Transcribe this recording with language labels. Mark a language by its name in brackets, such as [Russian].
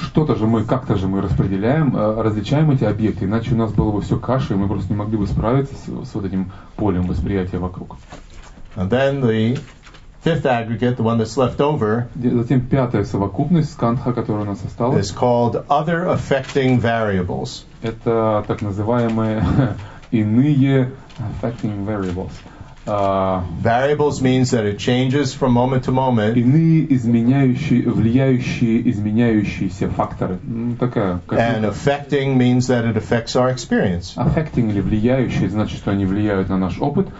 [Russian] Что-то же мы, как-то же мы распределяем, различаем эти объекты. Иначе у нас было бы все каша, и мы просто не могли бы справиться с вот этим полем восприятия вокруг. [English] And then the fifth aggregate, the one that's left over, [Russian] затем пятая совокупность скандха, которая у нас осталась, [English] is called other affecting variables. [Russian] Это так называемые иные [English] affecting variables. Variables means that it changes from moment to moment. [Russian] Иные изменяющие, влияющие, изменяющиеся факторы. [English] And affecting means that it affects our experience. [Russian] Affecting или влияющие значит, что они влияют на наш опыт.